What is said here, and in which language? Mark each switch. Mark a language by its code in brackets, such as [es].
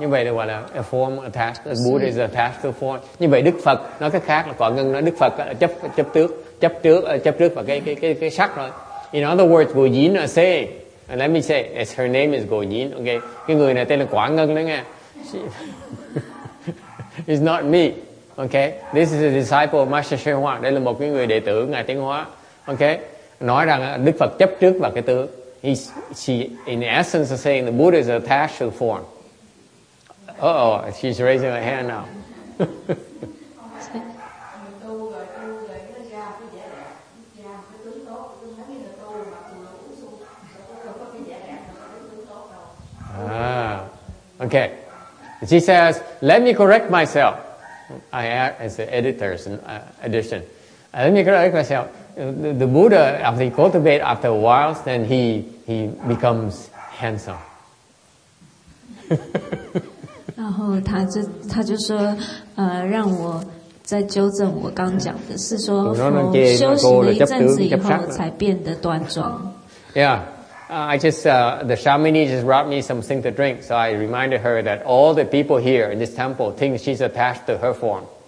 [vi] Như vậy là gọi là [en] a form attached. The Buddha is attached to form. [vi] Như vậy Đức Phật nói cách khác là Quả Ngân nói Đức Phật là chấp trước vào cái sắc rồi. [en] In other words, Bồ Dín là say. And let me say, yes, her name is Goyin. [vi] Okay, cái người này tên là Quả Ngân đó nghe. [en] It's not me. Okay, this is a disciple of Master Xuyên Hoa. [vi] Đây là một cái người đệ tử ngài Tiến Hóa. Okay, nói rằng Đức Phật chấp trước vào cái tướng. [en] She in essence is saying the Buddha is attached to the form. Uh oh, she's raising her hand now. Okay, she says, let me correct myself. I add as the editor's addition. Let me correct myself. The Buddha, after he cultivates after a while, then he becomes handsome. [zh] 然后他就说让我再纠正我刚讲的是说佛修行了一阵子以后才变得端庄。 [en] Yeah. The Shamini just brought me something to drink, so I reminded her that all the people here in this temple think she's attached to her form.